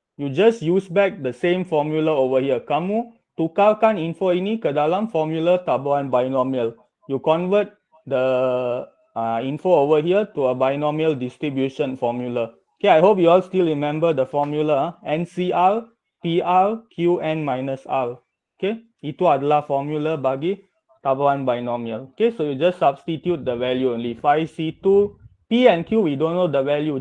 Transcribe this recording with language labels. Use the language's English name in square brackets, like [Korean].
[English] You just use back the same formula over here. [Malay] Kamu tukarkan info ini ke dalam formula tabuan binomial. [English] You convert the info over here to a binomial distribution formula. Okay, I hope you all still remember the formula. NCR, PR, QN minus R. [Malay] Okay, itu adalah formula bagi tabuan binomial. [English] Okay, so you just substitute the value only. 5C2, P and Q, we don't know the value.